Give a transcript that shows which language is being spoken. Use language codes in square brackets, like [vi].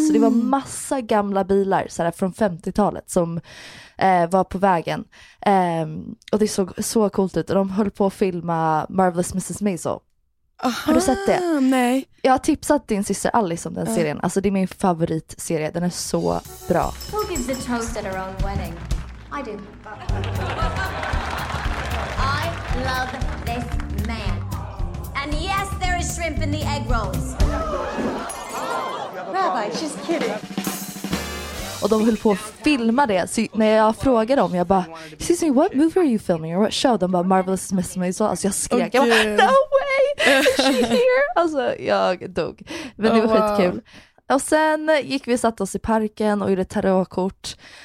[sv] Så det var massa gamla bilar så här från 50-talet som var på vägen. Och det såg så coolt ut och de höll på att filma Marvelous Mrs. Maisel. Aha, har du sett det? Nej. Jag har tipsat din syster Alice om den serien. Alltså det är min favoritserie. Den är så bra. [en] Who gives the toast at her own wedding? I do. I love this man. And yes, there is shrimp in the egg rolls. Rabbi, she's kidding. [sv] Och de höll på att filma det. Så när jag frågade dem, jag bara, [en] excuse me, what movie are you filming? Or what show? [sv] De bara, Marvelous Mrs. Maisel. Alltså jag skrek. Okay. Jag bara, [en] no way! Is she here? [sv] Alltså jag dog. Men det var skitkul. Och sen gick vi och satt oss i parken och gjorde tarotkort.